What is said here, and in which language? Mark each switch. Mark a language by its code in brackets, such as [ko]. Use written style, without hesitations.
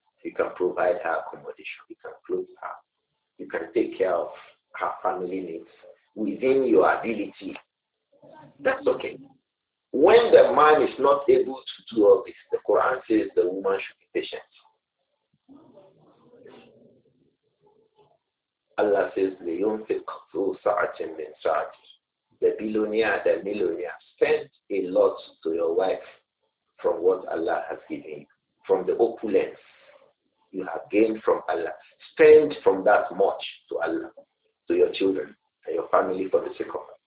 [en] You can provide her accommodation. You can clothe her. You can take care of her family needs within your ability. That's okay. When the man is not able to do all this, the Quran says the woman should be patient. [ar] Allah says, لِيُنْفِقْ ذُو سَعَةٍ مِنْ سَعَةٍ. [en] The billionaire, the millionaire, spend a lot to your wife from what Allah has given you, from the opulence you have gained from Allah. Spend from that much to Allah, to your children and your family for the sake of Allah.